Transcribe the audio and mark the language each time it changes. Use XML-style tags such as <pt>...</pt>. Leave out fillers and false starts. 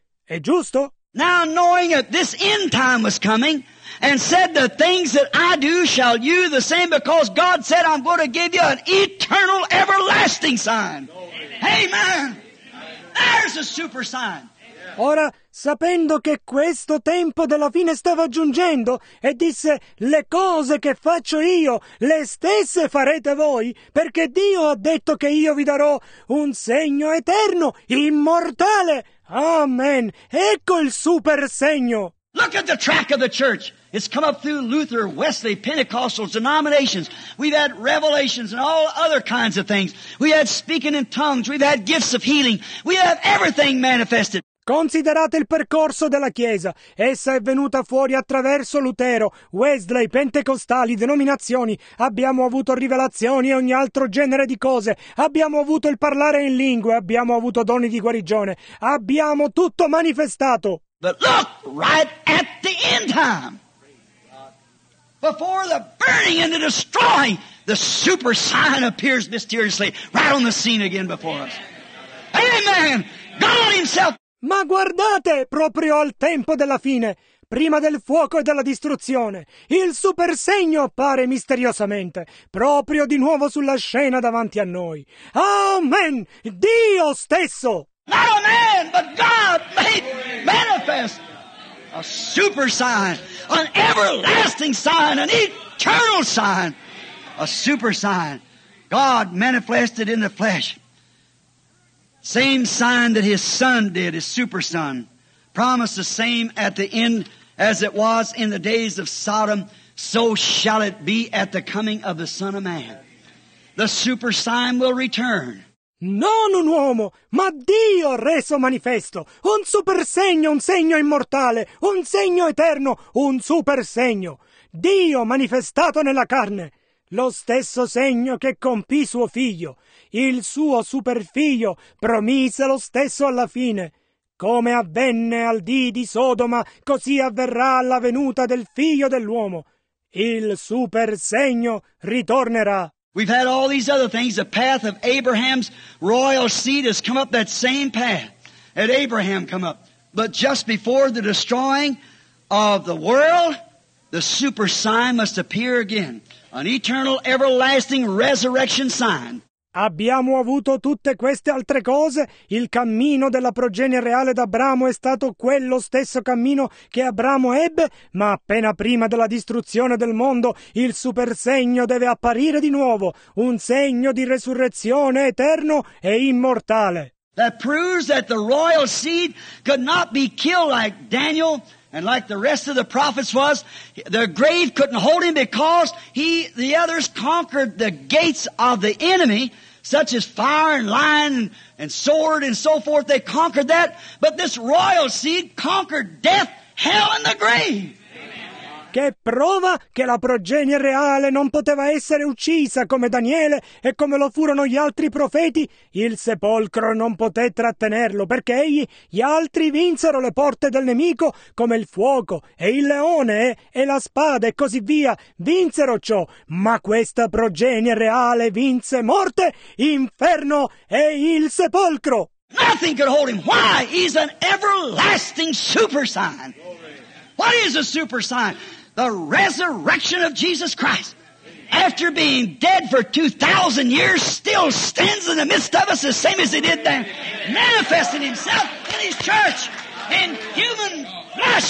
<it>È giusto?</it> <en>Now knowing that this end time was coming, and said the things that I do shall you the same, because God said I'm going to give you an eternal everlasting sign. Amen! There's a super sign!</en> <it>Ora, sapendo che questo tempo della fine stava giungendo, e disse: le cose che faccio io, le stesse farete voi, perché Dio ha detto che io vi darò un segno eterno, immortale. Amen. Ecco il super segno.</it> <en>Look at the track of the church. It's come up through Luther, Wesley, Pentecostal denominations. We've had revelations and all other kinds of things. We had speaking in tongues. We've had gifts of healing. We have everything manifested.</en> <it>Considerate il percorso della Chiesa. Essa è venuta fuori attraverso Lutero, Wesley, pentecostali, denominazioni. Abbiamo avuto rivelazioni e ogni altro genere di cose. Abbiamo avuto il parlare in lingue. Abbiamo avuto doni di guarigione. Abbiamo tutto manifestato.</it> <en>But look right at the end time. Before the burning and the destroying, the super sign appears mysteriously right on the scene again before us. Amen. God himself.</en> <it>Ma guardate proprio al tempo della fine, prima del fuoco e della distruzione, il super segno appare misteriosamente, proprio di nuovo sulla scena davanti a noi. Amen! Dio stesso!</it> <en>Not a man, but God made manifest a super sign, an everlasting sign, an eternal sign, a super sign. God manifested in the flesh. Same sign that his son did, his super son, promised the same at the end as it was in the days of Sodom, so shall it be at the coming of the Son of Man. The super sign will return.</en> <it>Non un uomo, ma Dio reso manifesto. Un super segno, un segno immortale, un segno eterno, un super segno. Dio manifestato nella carne. Lo stesso segno che compì suo figlio, il suo super figlio promise lo stesso alla fine. Come avvenne al dì di Sodoma, così avverrà alla venuta del figlio dell'uomo. Il super segno ritornerà.</it> <en>We've had all these other things. The path of Abraham's royal seed has come up, that same path that Abraham come up. But just before the destroying of the world, the super sign must appear again. An eternal, everlasting resurrection sign.</en> <it>Abbiamo avuto tutte queste altre cose. Il cammino della progenie reale d'Abramo è stato quello stesso cammino che Abramo ebbe, ma appena prima della distruzione del mondo, il supersegno deve apparire di nuovo, un segno di resurrezione eterno e immortale.</it> <en>That proves that the royal seed could not be killed like Daniel. And like the rest of the prophets was, the grave couldn't hold him because the others conquered the gates of the enemy, such as fire and lion and sword and so forth. They conquered that, but this royal seed conquered death, hell and the grave.</en> <it>Che prova che la progenie reale non poteva essere uccisa come Daniele e come lo furono gli altri profeti, il sepolcro non poté trattenerlo, perché egli, gli altri vinsero le porte del nemico come il fuoco e il leone e la spada e così via, vinsero ciò, ma questa progenie reale vinse morte, inferno e il sepolcro.</it> <en>Nothing could hold him. Why? He's an everlasting super sign. What is a super sign? The resurrection of Jesus Christ, after being dead for 2,000 years, still stands in the midst of us the same as he did then, manifesting himself in his church, in human flesh.</en>